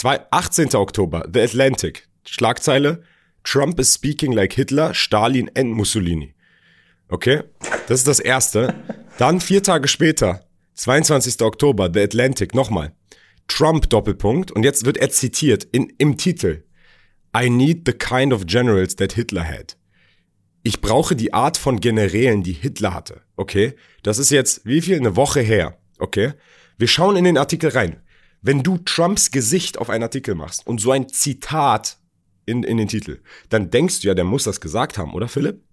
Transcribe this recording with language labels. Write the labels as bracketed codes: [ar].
[en] 18. Oktober, The Atlantic, Schlagzeile, Trump is speaking like Hitler, Stalin and Mussolini. [de] Okay, das ist das Erste. Dann 4 Tage später, 22. Oktober, The Atlantic, nochmal. Trump, Doppelpunkt. Und jetzt wird er zitiert im Titel. [en] I need the kind of generals that Hitler had. [de] Ich brauche die Art von Generälen, die Hitler hatte. Okay, das ist jetzt wie viel? Eine Woche her. Okay, wir schauen in den Artikel rein. Wenn du Trumps Gesicht auf einen Artikel machst und so ein Zitat in den Titel, dann denkst du ja, der muss das gesagt haben, oder Philipp?